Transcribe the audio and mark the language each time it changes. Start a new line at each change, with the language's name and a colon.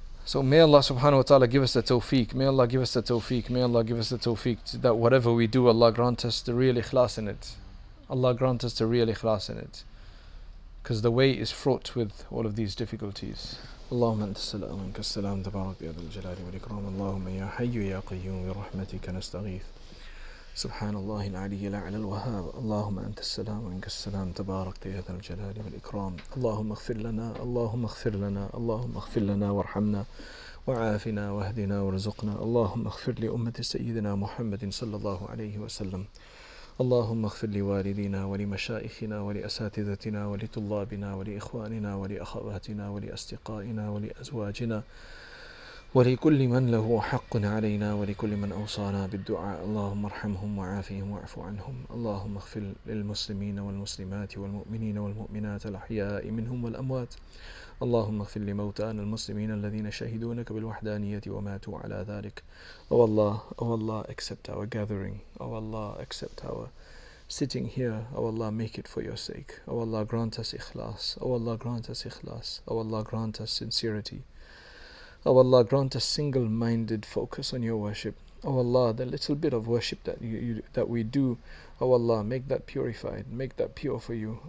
English: So may Allah subhanahu wa ta'ala give us the tawfiq. May Allah give us the tawfiq. May Allah give us the tawfiq that whatever we do, Allah grant us the real ikhlas in it. Allah grant us the real ikhlas in it. Because the way is fraught with all of these difficulties.
Arabic: اللهم انت السلام منك السلام تبارك يا ذا الجلال والإكرام اللهم يا حي يا قيوم برحمتك نستغيث سبحان الله العلي الأعلى الوهاب اللهم انت السلام منك السلام تبارك يا ذا الجلال والإكرام اللهم اغفر لنا اللهم اغفر لنا اللهم اغفر لنا وارحمنا وعافنا واهدنا وارزقنا اللهم اغفر لأمة سيدنا محمد صلى الله عليه وسلم اللهم اغفر لوالدينا ولمشايخنا ولأساتذتنا ولطلابنا ولإخواننا ولأخواتنا ولأصدقائنا ولأزواجنا ولكل من له حق علينا ولكل من أوصانا بالدعاء اللهم ارحمهم وعافهم واعف عنهم اللهم اغفر للمسلمين والمسلمات والمؤمنين والمؤمنات الأحياء منهم والأموات اللهم اغفر لموتانا المسلمين الذين شهدونك بالوحدانية وماتوا على ذلك.
English: Oh Allah, oh Allah, accept our gathering. Oh Allah, accept our sitting here. Oh Allah, make it for your sake. Oh Allah, grant us ikhlas. Oh Allah, grant us ikhlas. Oh Allah, grant us sincerity. Oh Allah, grant us single-minded focus on your worship. Oh Allah, the little bit of worship that that we do, oh Allah, make that purified, make that pure for you.